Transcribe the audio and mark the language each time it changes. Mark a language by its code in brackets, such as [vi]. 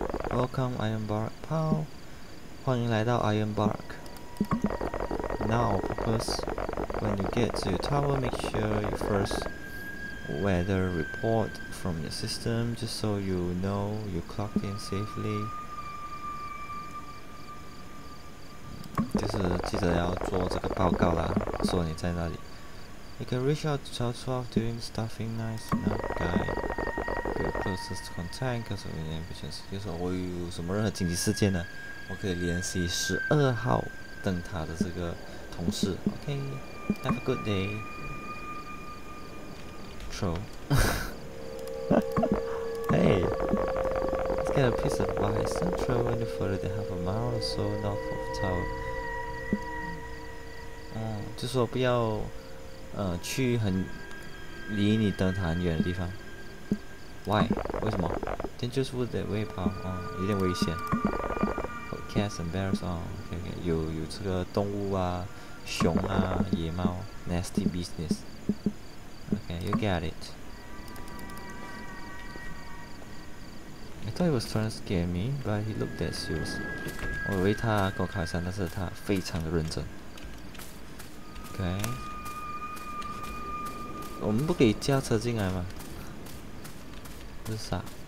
[en] Welcome, Ironbark Pal. [zh] 欢迎来到 [en] Ironbark. Now, purpose, when you get to your tower, make sure you first weather report from your system, just so you know you clocked in safely. [zh] 就是记得要做这个报告啦，说你在那里。 [en] You can reach out to Tower 12 during staffing night. No guy, your closest contact in case of any emergency. [zh] 就是我有什么任何紧急事件呢，我可以联系12号灯塔的这个同事。 [en] OK, have a good day. True. Hey, let's get a piece of advice. Don't travel any further than half a mile or so north of Tower. [zh] 就说不要去很离你灯塔很远的地方。 [en] Why? [zh] 为什么 ？ [en] Dangerous wood that way, pal. [zh] 有点危险。 [en] Cats and bears. Okay, [zh] 有这个动物啊，熊啊，野猫。 [en] Nasty business. Okay, you get it. I thought he was trying to scare me, but he looked that serious. [zh] 我以为他跟我开玩笑，但是他非常的认真。 [en] Okay. [zh] 我们不可以驾车进来吗？这是啥？